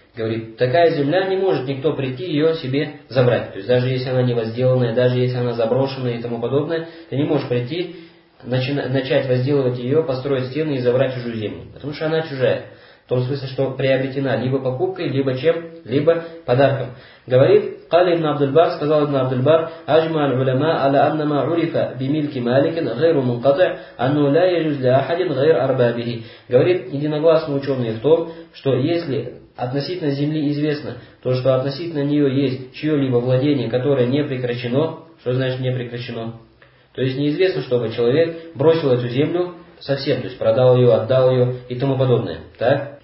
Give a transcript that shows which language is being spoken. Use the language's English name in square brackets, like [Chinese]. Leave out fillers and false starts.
[Russian] Говорит, такая земля не может никто прийти ее себе забрать. То есть даже если она не возделанная, даже если она заброшенная и тому подобное, ты не можешь прийти, начать возделывать ее, построить стены и забрать чужую землю. Потому что она чужая. В том смысле, что приобретена либо покупкой, либо чем, либо подарком. Говорит, [Arabic] قَالِ ابْنَ عَبْدُ الْبَرِّ сказал ابْنَ عَبْدُ الْبَرِّ أَجْمَعَ الْعُلَمَاءُ عَلَى أَنَّ مَا عُرِفَ بِمِلْكِ مَالِكٍ غَيْرُ مُنْقَطِعٍ أَنَّهُ لَا يَجُوزُ لِأَحَدٍ غَيْرَ أَرْبَابِهِ. [Russian] Говорит, единогласно ученые в том, что если относительно земли известно то, что относительно нее есть чье-либо владение, которое не прекращено, что значит не прекращено? То есть неизвестно, чтобы человек бросил эту землю совсем, то есть продал ее, отдал ее и тому подобное. Так?